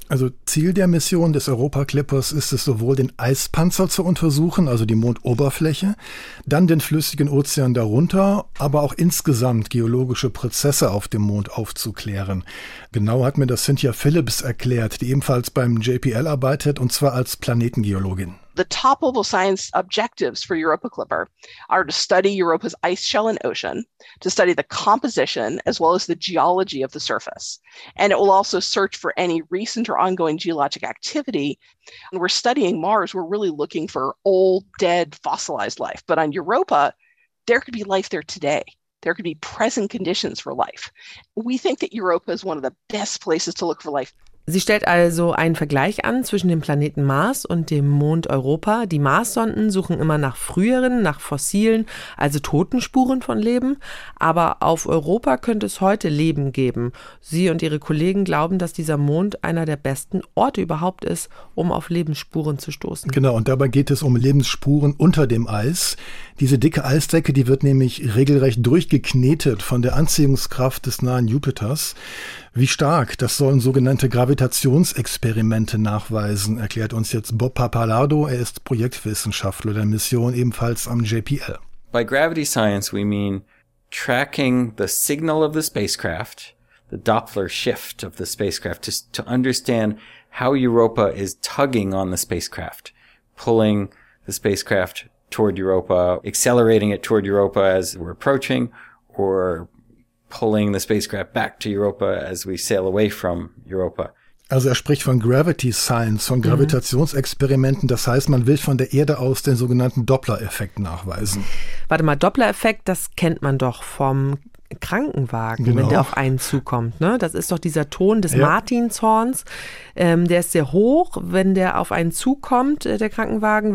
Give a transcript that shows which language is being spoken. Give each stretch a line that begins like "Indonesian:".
German: Also Ziel der Mission des Europa-Clippers ist es, sowohl den Eispanzer zu untersuchen, also die Mondoberfläche, dann den flüssigen Ozean darunter, aber auch insgesamt geologische Prozesse auf dem Mond aufzuklären. Genau hat mir das Cynthia Phillips erklärt, die ebenfalls beim JPL arbeitet, und zwar als Planetengeologin.
English: The top-level science objectives for Europa Clipper are to study Europa's ice shell and ocean, to study the composition as well as the geology of the surface. And it will also search for any recent or ongoing geologic activity. When we're studying Mars, we're really looking for old, dead, fossilized life. But on Europa, there could be life there today. There could be present conditions for life. We think that Europa is one of the best places to look for life.
German: Sie stellt also einen Vergleich an zwischen dem Planeten Mars und dem Mond Europa. Die Marssonden suchen immer nach früheren, nach fossilen, also toten Spuren von Leben. Aber auf Europa könnte es heute Leben geben. Sie und ihre Kollegen glauben, dass dieser Mond einer der besten Orte überhaupt ist, um auf Lebensspuren zu stoßen. Genau, und dabei geht es um Lebensspuren unter dem Eis. Diese dicke Eisdecke, die wird nämlich regelrecht durchgeknetet von der Anziehungskraft des nahen Jupiters. Wie stark, das sollen sogenannte Gravitationsexperimente nachweisen, erklärt uns jetzt Bob Pappalardo. Er ist Projektwissenschaftler der Mission, ebenfalls am JPL.
English: By gravity science we mean tracking the signal of the spacecraft, the Doppler shift of the spacecraft, to understand how Europa is tugging on the spacecraft, pulling the spacecraft toward Europa, accelerating it toward Europa as we're approaching, or pulling the spacecraft back to Europa as we sail away from Europa.
German: Also er spricht von Gravity Science, von Gravitationsexperimenten. Das heißt, man will von der Erde aus den sogenannten Doppler-Effekt nachweisen. Warte mal, Doppler-Effekt, das kennt man doch vom Krankenwagen, genau, wenn der auf einen zukommt. Ne? Das ist doch dieser Ton des Martinshorns. Der ist sehr hoch, wenn der auf einen zukommt, der Krankenwagen.